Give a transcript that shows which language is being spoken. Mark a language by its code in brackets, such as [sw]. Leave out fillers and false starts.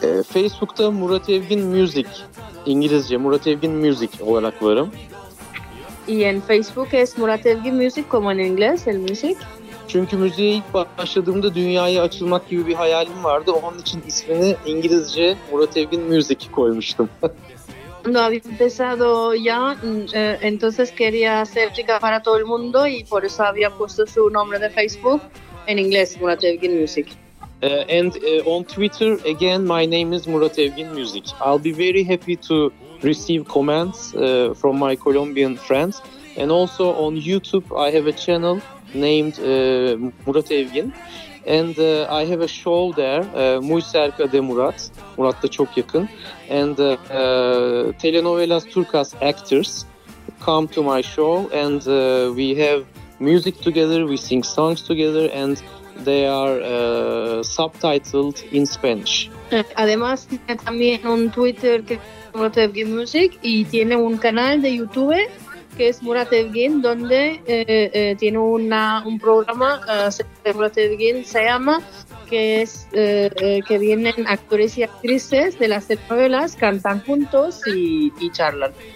[tr] Facebook'ta Murat Evgin Music, İngilizce Murat Evgin Music olarak varım. [es] Y en Facebook es Murat Evgin Music, como en inglés, el music. [tr] Çünkü müziğe ilk başladığımda dünyaya açılmak gibi bir hayalim vardı. Onun için ismini İngilizce Murat Evgin Music koymuştum. [es] No había empezado ya, entonces quería ser rica para todo el mundo, y por eso había puesto su nombre de Facebook en inglés, Murat Evgin Music. [en] On Twitter, again, my name is Murat Evgin Music. I'll be very happy to receive comments from my Colombian friends. And also on YouTube, I have a channel named Murat Evgin. And I have a show there, Muy Cerca de Murat, [tr] Murat'ta çok yakın. [en] And Telenovelas Turcas actors come to my show, and we have music together, we sing songs together, and they are subtitled in Spanish. [es] Además, tiene también un Twitter que es Murat Evgin Music, y tiene un canal de YouTube que es Murat Evgin, donde tiene un programa de Murat Evgin, se llama, que es que vienen actores y actrices de las telenovelas, cantan juntos y charlan.